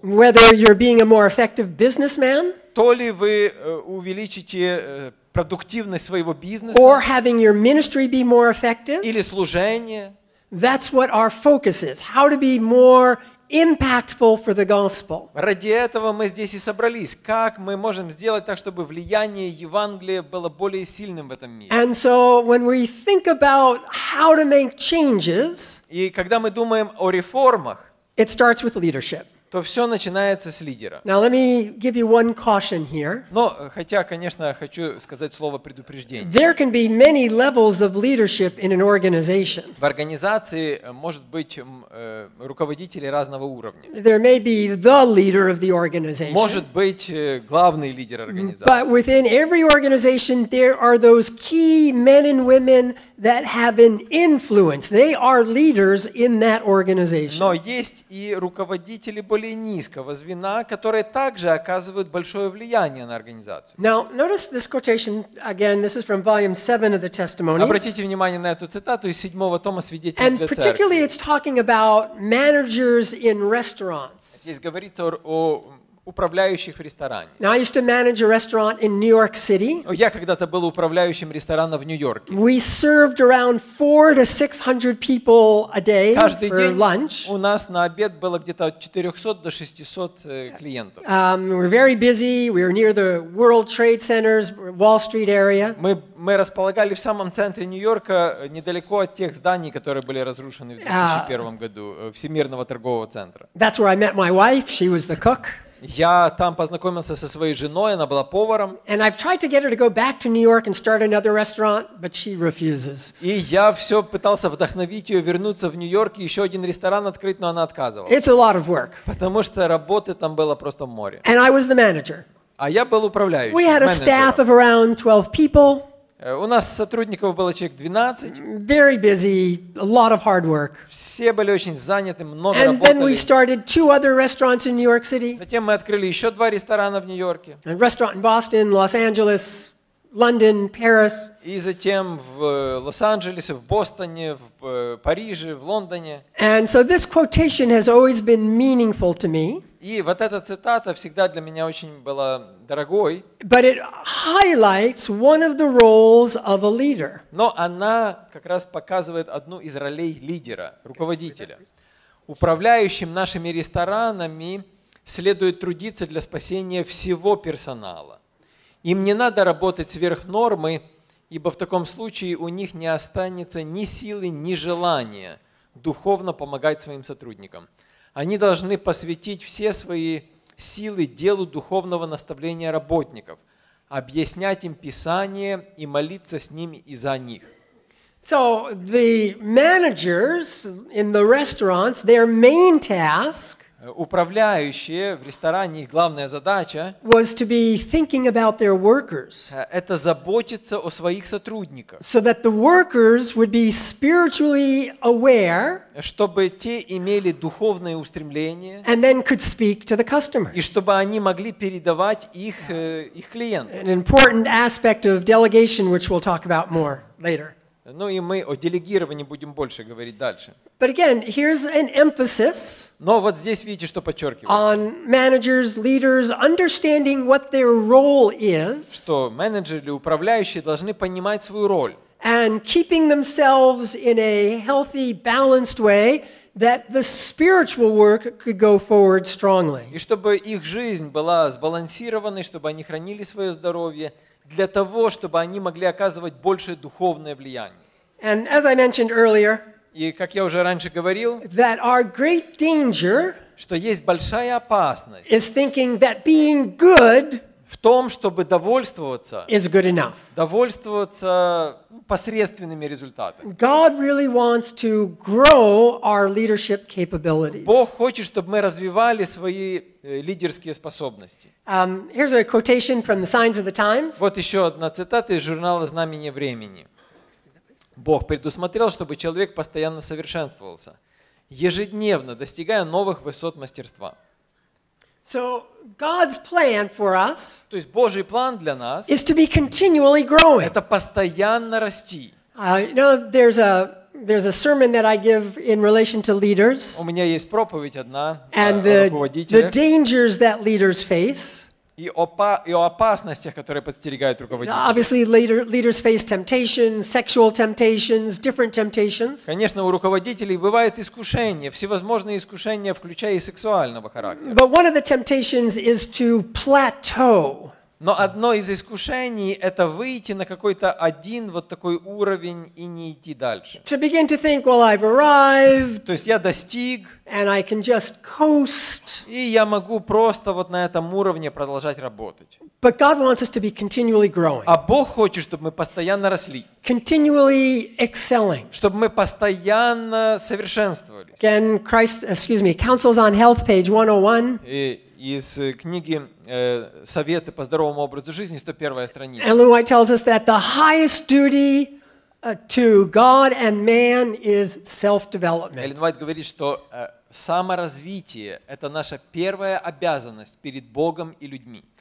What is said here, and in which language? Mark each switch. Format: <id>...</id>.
<en>Whether you're being a more effective businessman,</en> <ru>то ли вы увеличите продуктивность своего бизнеса,</ru> <en>or having your ministry be more effective,</en> <ru>или служение.</ru> <en>That's what our focus is. How to be more impactful for the gospel.</en> <ru>Ради этого мы здесь и собрались. Как мы можем сделать так, чтобы влияние Евангелия было более сильным в этом мире?</ru> <en>And so when we think about how to make changes,</en> <ru>и когда мы думаем о реформах,</ru> <en>it starts with leadership.</en> <ru>То все начинается с лидера.</ru> <en>Now let me give you one caution here.</en> <ru>Но хотя, конечно, хочу сказать слово предупреждения.</ru> <en>There can be many levels of leadership in an organization.</en> <ru>В организации может быть руководители разного уровня.</ru> <en>There may be the leader of the organization.</en> <ru>Может быть главный лидер организации.</ru> <en>But within every organization there are those key men and women that have an influence. They are leaders in that organization.</en> <ru>Но есть и руководители более низкого звена, которые также оказывают большое влияние на организацию.</ru> <en>Now, notice this quotation again. This is from volume 7 of the Testimonies.</en> <ru>Обратите внимание на эту цитату из 7-го тома свидетельств для церкви.</ru> <en>And particularly it's talking about managers in restaurants.</en> <ru>Здесь говорится о управляющих в ресторане.</ru> <en>Now I used to manage a restaurant in New York City.</en> <ru>Я когда-то был управляющим ресторана в Нью-Йорке.</ru> <en>We served around 400 to 600 people a day for lunch.</en> <ru>Каждый день у нас на обед было где-то от 400 до 600 клиентов.</ru> <en>We were very busy. We were near the World Trade Center's Wall Street area.</en> <ru>Мы располагали в самом центре Нью-Йорка, недалеко от тех зданий, которые были разрушены в 2001 году, Всемирного торгового центра.</ru> <en>That's where I met my wife. She was the cook.</en> <ru>Я там познакомился со своей женой, она была поваром.</ru> <en>And I've tried to get her to go back to New York and start another restaurant, but she refuses.</en> <ru>И я все пытался вдохновить ее вернуться в Нью-Йорк и еще один ресторан открыть, но она отказывала.</ru> <en>It's a lot of work.</en> <ru>Потому что работы там было просто море.</ru> <en>And I was the manager.</en> <ru>А я был управляющим.</ru> <en>We had a staff of around 12 people.</en> <ru>У нас сотрудников было человек 12.</ru> <en>Very busy, a lot of hard work.</en> <ru>Все были очень заняты, много</ru> <en>And</en> <ru>работали.</ru> <en>And then we started two other restaurants in New York City.</en> <ru>Затем мы открыли еще два ресторана в Нью-Йорке.</ru> <en>A restaurant in Boston, Los Angeles, London, Paris.</en> <ru>И затем в Лос-Анджелесе, в Бостоне, в Париже, в Лондоне.</ru> <en>And so this quotation has always been meaningful to me.</en> <ru>И вот эта цитата всегда для меня очень была дорогой.</ru> <en>But it highlights one of the roles of a leader.</en> <ru>Но она как раз показывает одну из ролей лидера, руководителя. Управляющим нашими ресторанами следует трудиться для спасения всего персонала. Им не надо работать сверх нормы, ибо в таком случае у них не останется ни силы, ни желания духовно помогать своим сотрудникам. Они должны посвятить все свои силы делу духовного наставления работников, объяснять им Писание и молиться с ними и за них.</ru> <en>So the managers in the restaurants, their main task.</en> <ru>Управляющие в ресторане, их главная задача.</ru> <en>Was to be thinking about their workers.</en> <ru>Это заботиться о своих сотрудниках.</ru> <en>So that the workers would be spiritually aware.</en> <ru>Чтобы те имели духовное устремление.</ru> <en>And then could speak to the customers.</en> <ru>И чтобы они могли передавать их их клиентам.</ru> <en>An important aspect of delegation, which we'll talk about more later.</en> <ru>Ну и мы о делегировании будем больше говорить дальше.</ru> <en>But again, here's an emphasis.</en> <ru>Но вот здесь видите, что подчеркивается.</ru> <en>On managers, leaders understanding what their role is.</en> <ru>Что менеджеры или управляющие должны понимать свою роль.</ru> <en>And keeping themselves in a healthy, balanced way that the spiritual work could go forward strongly.</en> <ru>И чтобы их жизнь была сбалансированной, чтобы они хранили свое здоровье. Для того, чтобы они могли оказывать большее духовное влияние.</ru> <en>And as I mentioned earlier,</en> <ru>и как я уже раньше говорил,</ru> <en>that our great danger,</en> <ru>что есть большая опасность,</ru> <en>is thinking that being good</en> <ru>в том, чтобы довольствоваться,</ru> <en>is good enough.</en> <ru>Довольствоваться посредственными результатами.</ru> <en>God really wants to grow our leadership capabilities.</en> <ru>Бог хочет, чтобы мы развивали свои лидерские способности.</ru> <en>Here's a quotation from the Signs of the Times.</en> <ru>Вот еще одна цитата из журнала «Знамение времени». Бог предусмотрел, чтобы человек постоянно совершенствовался, ежедневно достигая новых высот мастерства.</ru> <en>So God's plan for us.</en> <ru>То есть Божий план для нас.</ru> <en>Is to be continually growing.</en> <ru>Это постоянно расти.</ru> <en>There's a sermon that I give in relation to leaders.</en> <ru>У меня есть проповедь одна руководителя.</ru> <en>And the dangers that leaders face.</en> <ru>И о опасностях, которые подстерегают руководителя.</ru> <en>Obviously, leaders face temptations, sexual temptations, different temptations.</en> <ru>Конечно, у руководителей бывают искушения, всевозможные искушения, включая и сексуального характера.</ru> <en>But one of the temptations is to plateau.</en> <ru>Но одно из искушений – это выйти на какой-то один вот такой уровень и не идти дальше.</ru> <en>To begin to think, well, I've arrived.</en> <ru>То есть я достиг.</ru> <en>And I can just coast.</en> <ru>И я могу просто вот на этом уровне продолжать работать.</ru> <en>But God wants us to be continually growing.</en> <ru>А Бог хочет, чтобы мы постоянно росли.</ru> <en>Continually excelling.</en> <ru>Чтобы мы постоянно совершенствовались.</ru> <en>Again, Counsels on Health, page 101.</en> <ru>Из книги «Советы по здоровому образу жизни» 101 страница.</ru> <en>Эллен Уайт tells us that the highest duty to God and man is self-development.</en> <ru>Эллен Уайт говорит, что саморазвитие – это наша первая обязанность перед Богом и людьми.</ru>